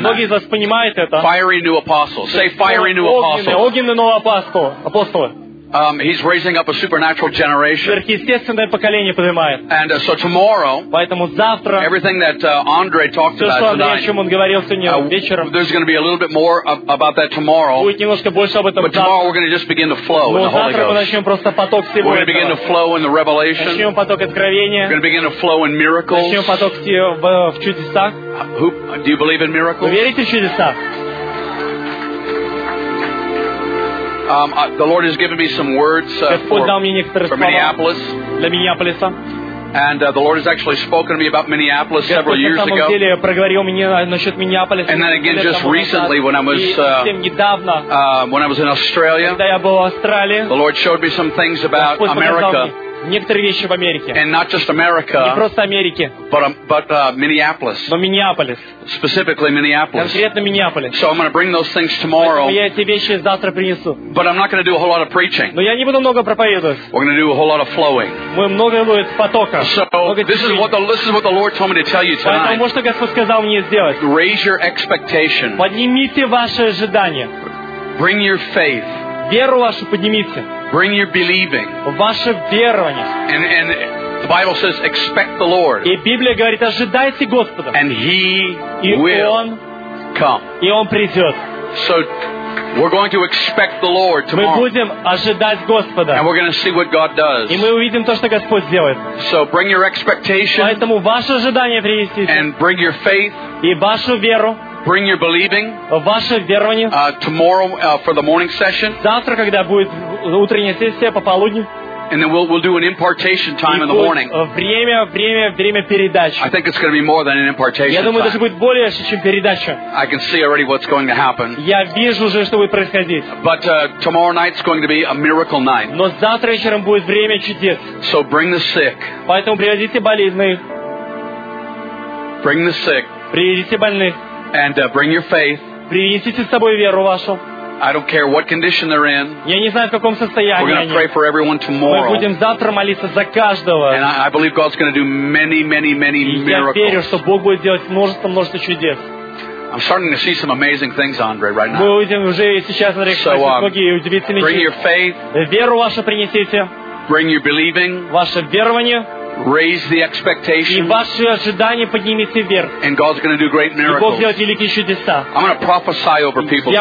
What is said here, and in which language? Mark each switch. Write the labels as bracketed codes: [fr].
[ru] Многие из вас понимают это. [en] Fiery new apostles. Say fiery new apostles. [ru] Огненные новые апостолы. [en] He's raising up a supernatural generation. [ru] Сверхъестественное поколение поднимает. [en] And so tomorrow, [ru] поэтому завтра, [en] everything that Andre talked [ru] все, [en] about [ru] что [en] tonight, [ru] о чем он говорил сегодня вечером, [en] there's going to be a little bit more about that tomorrow. [ru] Будет немножко больше об этом [en] But [ru] завтра. [en] Tomorrow we're going to just begin to flow [ru] Но [en] in the Holy Ghost. [ru] Завтра мы начнем просто поток всего [en] We're going to [ru] этого. [en] Begin to flow in the revelation. [ru] Начнем поток откровения. [en] We're going to begin to flow in miracles. [ru] Начнем поток в чудесах. [en] Do you believe in miracles? [ru] Вы верите в чудеса? [en] The Lord has given me some words for Minneapolis. [ru] Для Миннеаполиса. [en] And the Lord has actually spoken to me about Minneapolis [ru] Господь [en] several years ago. [ru] Деле проговорил мне насчет Миннеаполиса. [en] And then again, just recently, when I was [ru] недавно, [en] when I was in Australia, [ru] когда я был в Австралии, [en] the Lord showed me some things about [ru] Господь [en] America. [ru] Некоторые вещи в Америке. [en] And not just America, [ru] не просто Америки. [en] But Minneapolis. [ru] Но Миннеаполис. [en] Specifically Minneapolis. [ru] Конкретно Миннеаполис. [en] So I'm going to bring those things tomorrow. [ru] Поэтому я эти вещи завтра принесу. [en] But I'm not going to do a whole lot of preaching. [ru] Но я не буду много проповедовать. [en] We're going to do a whole lot of flowing. [ru] Мы много будет потока. [en] So this is what the Lord told me to tell you tonight. [ru] Поэтому что Господь сказал мне сделать? [en] Raise your expectation. [ru] Поднимите ваши ожидания. [en] Bring your faith. [ru] Веру вашу поднимите. [en] Bring your believing. [ru] Ваше верование. [en] And the Bible says, expect the Lord. [ru] И Библия говорит, ожидайте Господа. [en] And He [ru] и [en] will [ru] он, [en] come. [ru] И Он придет. [en] So we're going to expect the Lord tomorrow. [ru] Мы будем ожидать Господа. [en] And we're going to see what God does. [ru] И мы увидим то, что Господь сделает. [en] So bring your expectation. [ru] Поэтому ваше ожидание принесите. [en] And bring your faith. [ru] И вашу веру. [en] Bring your believing. [ru] Ваше верование. [en] Tomorrow for the morning session. [ru] Завтра, когда будет утренняя сессия пополудню. [en] And then we'll do an impartation time in the morning. [ru] Время передачи. [en] I think it's going to be more than an impartation. [ru] Я думаю, даже будет более, чем передача. [en] I can see already what's going to happen. [ru] Я вижу уже, что будет происходить. [en] But tomorrow night's going to be a miracle night. [ru] Но завтра вечером будет время чудес. [en] So bring the sick. [ru] Поэтому приведите больных. [en] Bring the sick. [ru] Приведите больных. [en] And bring your faith. [ru] Принесите с собой веру вашу. [en] I don't care what condition they're in. [ru] Я не знаю, в каком состоянии. [en] We're going to pray for everyone tomorrow. [ru] Мы будем завтра молиться за каждого. [en] And I believe God's going to do many, many, many miracles. [ru] И я верю, что Бог будет делать множество чудес. [en] I'm starting to see some amazing things, Andre, right now. [ru] Мы увидим уже сейчас, Андрей, многие удивительные вещи. [en] Bring your faith. [ru] Веру вашу принесите. [en] Bring your believing. [ru] Ваше верование. [en] Raise the expectation. [ru] И ваши ожидания поднимите вверх. [en] And God's going to do great miracles. [ru] И Бог сделает великие чудеса. [en] I'm going to prophesy over people [ru] Я